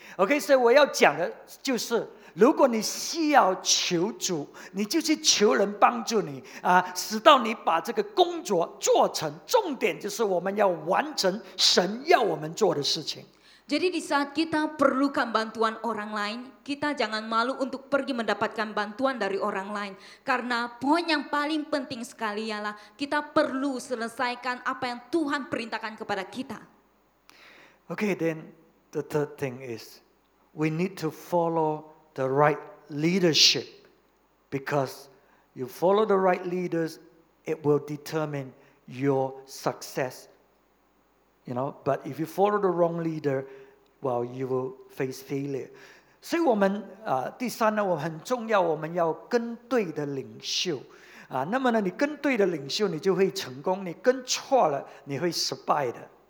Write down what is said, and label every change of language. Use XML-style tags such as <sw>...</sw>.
<zh>Okay, so 我要讲的就是, 如果你需要求主, 你就去求人帮助你, 使到你把这个工作做成, 重点就是我们要完成神要我们做的事情。</zh> <ms>Jadi di saat kita perlukan bantuan orang lain, kita jangan malu untuk pergi mendapatkan bantuan dari orang lain. Karena poin yang paling penting sekali ialah kita perlu selesaikan apa yang Tuhan perintahkan kepada kita.</ms> <en>Okay, then the third thing is we need to follow the right leadership because you follow the right leaders, it will determine your success. You know, but if you follow the wrong leader, well, you will face failure.</en> <zh>所以我们, 第三呢, 我们很重要, 我们要跟对的领袖。那么呢, 你跟对的领袖, 你就会成功, 你跟错了, 你会失败的。</zh>